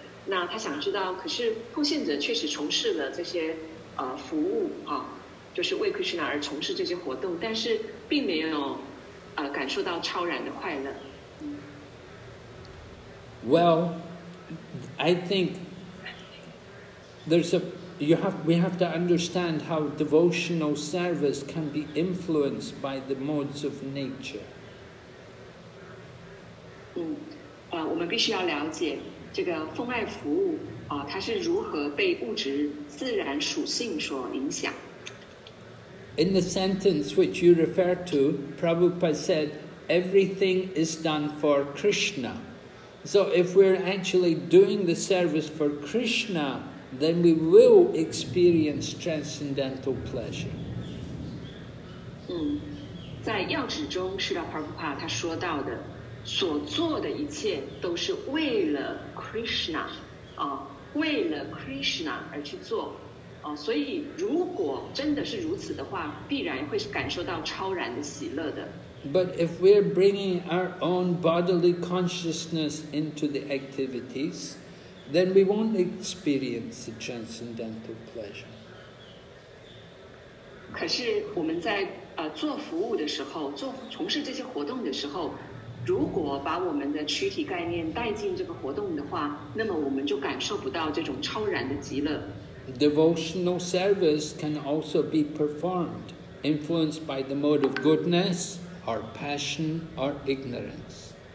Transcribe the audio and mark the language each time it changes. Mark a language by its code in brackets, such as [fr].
[zh] 那他想知道，可是奉献者确实从事了这些服务啊，就是为 Krishna 而从事这些活动，但是并没有感受到超然的快乐。 [en] Well, I think we have to understand how devotional service can be influenced by the modes of nature. [zh] 我们必须要了解这个奉爱服务它是如何被物质自然属性所影响。 [en] In the sentence which you refer to, Prabhupada said, "Everything is done for Krishna." So if we're actually doing the service for Krishna,then we will experience transcendental pleasure. [zh] 在要旨中，Srila Prabhupada 他说到的，所做的一切都是为了 Krishna， 为了 Krishna 而去做，所以如果真的是如此的话，必然会是感受到超然的喜乐的。 [en] But if we're bringing our own bodily consciousness into the activities,then we won't experience the transcendental pleasure. [zh] 可是我们在做服务的时候，从事这些活动的时候，如果把我们的躯体概念带进这个活动的话，那么我们就感受不到这种超然的极乐。 [en] Devotional service can also be performed, influenced by the mode of goodness, or passion, or ignorance.